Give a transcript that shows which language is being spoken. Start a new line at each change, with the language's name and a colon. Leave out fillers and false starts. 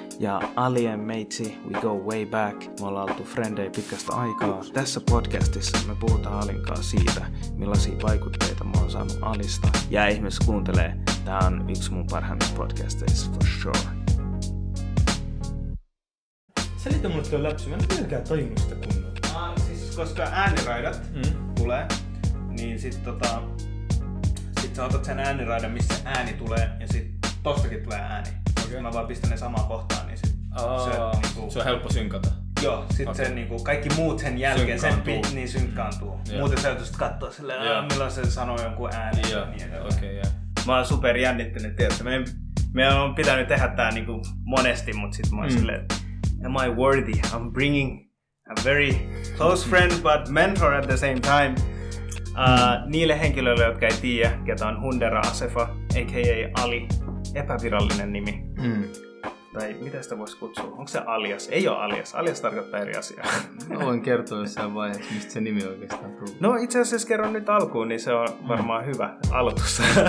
English: Ja Ali and Meitsi, we go way back.
Finnish: Me ollaan oltu frendejä pitkästä aikaa. Tässä podcastissa me puhutaan Alinkaan siitä, millaisia vaikutteita mä oon saanut Alista. Ja ihmiset kuuntelee, tämä on yksi mun parhaimmista podcasteissa,
English: for sure.
Finnish: Selitä mulle tuo läpsy, mä en pelkää toimista kunnolla. Siis koska ääniraidat tulee, niin sit sä otat sen ääniraidan, missä ääni tulee, ja sit tostakin tulee ääni. Okay. Mä vaan pistän ne samaan kohtaan, niin se on helppo synkata. Joo, sit okay. Se niinku kaikki muut sen jälkeen, niin synkkaantuu. Yeah. Muuten sä joutuisit katsoa silleen, milloin se sanoo jonkun äänen. Joo, okei, joo. Mä oon super jännittynyt, tietysti. Me on pitänyt tehdä tää niinku monesti, mut sit mä oon silleen,
English: am I worthy? I'm bringing a very close friend, but mentor at the same time.
Finnish: Niille henkilöille, jotka ei tiedä, ketä on Hundera Assefa, a.k.a. Ali, epävirallinen nimi. Mm. Tai mitä sitä voisi kutsua? Onko se alias? Ei ole alias. Alias tarkoittaa eri asiaa. No, voin kertoa jossain vaiheessa, mistä se nimi oikeastaan tullut. No itse asiassa, jos kerron nyt alkuun, niin se on varmaan hyvä aloitus.